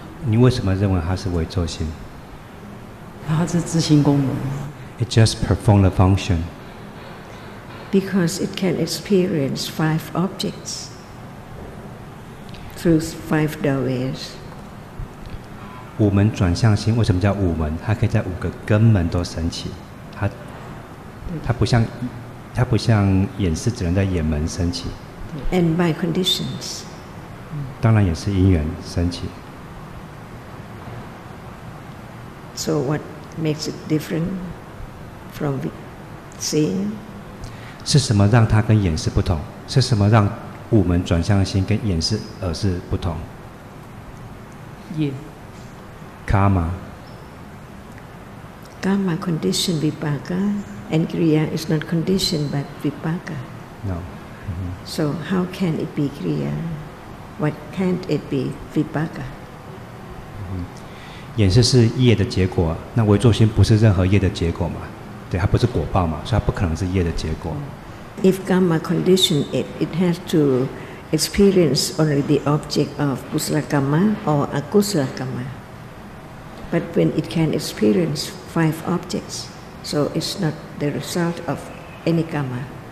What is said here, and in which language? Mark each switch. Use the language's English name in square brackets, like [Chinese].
[Chinese] 你为什么认为它是唯作心？它是自行功能。 [English] It just performs the function. Because it can experience five objects through five doorways. [Chinese] 五门转向心为什么叫五门？它可以在五个根门都升起。它不像眼识只能在眼门升起。 [English] And by conditions. [Chinese] 当然也是因缘升起。 [English] So what makes it different from seeing? [Chinese] 是什么让它跟眼识不同？是什么让五门转向心跟眼识、耳识不同？业。 [English] Karma. Karma conditioned vipaka. And kriya is not conditioned but vipaka. No. So how can it be kriya? Why can't it be vipaka? [Chinese] 眼识是业的结果，那唯作心不是任何业的结果嘛？对，它不是果报嘛，所以它不可能是业的结果。 [English] If karma conditioned it, it has to experience only the object of kusala karma or akusala karma. But when it can experience five objects. So it's not the result of any karma.